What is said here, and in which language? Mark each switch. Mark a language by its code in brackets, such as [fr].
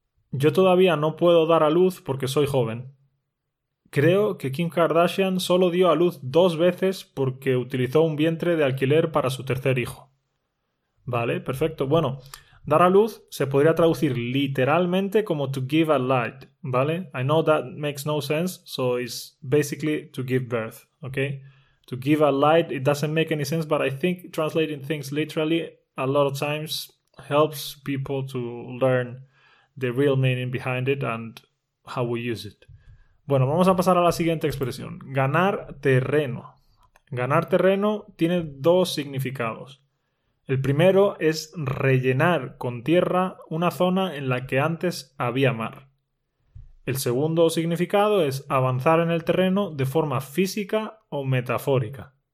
[es] Yo todavía no puedo dar a luz porque soy joven. Creo que Kim Kardashian solo dio a luz 2 veces porque utilizó un vientre de alquiler para su tercer hijo. Vale, perfecto. Bueno, dar a luz se podría traducir literalmente como [en] to give a light, [es] ¿vale? [en] I know that makes no sense, so it's basically to give birth, ¿ok? To give a light, it doesn't make any sense, but I think translating things literally a lot of times helps people to learn the real meaning behind it and how we use it. [es] Bueno, vamos a pasar a la siguiente expresión. Ganar terreno. Ganar terreno tiene 2 significados. El primero es rellenar con tierra una zona en la que antes había mar. El segundo significado es avanzar en el terreno de forma física o metafórica.